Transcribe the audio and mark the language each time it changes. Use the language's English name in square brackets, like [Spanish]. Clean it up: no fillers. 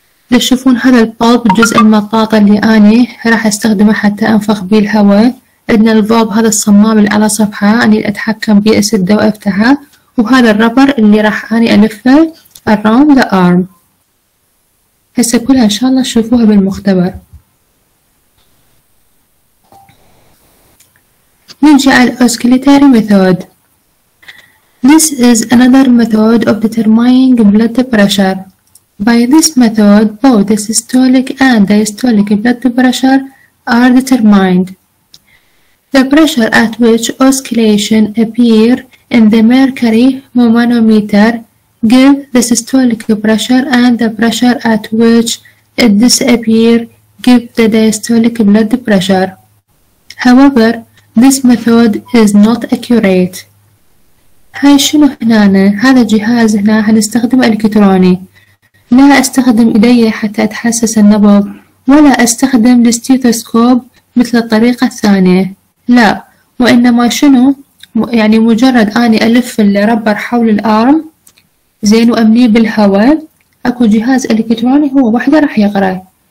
[Arabic] تشوفون هذا البالب الجزء المطاطي اللي اني راح استخدمه حتى انفخ به الهواء، عندنا الفولب هذا الصمام اللي على صفحة اني اتحكم به اسده وافتحه، وهذا الربر اللي راح اني الفه [English] around the arm. [Arabic] هسه كلها إن شاء الله تشوفوها بالمختبر. نجي على الأوسكيليتاري ميثود. [English] This is another method of determining blood pressure. By this method, both the systolic and diastolic blood pressure are determined. The pressure at which oscillation appear in the mercury manometer give the systolic pressure and the pressure at which it disappears give the diastolic blood pressure. However, this method is not accurate. [Arabic] هاي شنو هنا؟ هذا جهاز هنا هنستخدم الكتروني، لا استخدم ايدي حتى اتحسس النبض، ولا استخدم الستيثوسكوب مثل الطريقة الثانية، لا، وانما شنو يعني مجرد اني الف الربر حول الارم زين وأمني بالهواء، أكو جهاز إلكتروني هو وحده راح يقرأ.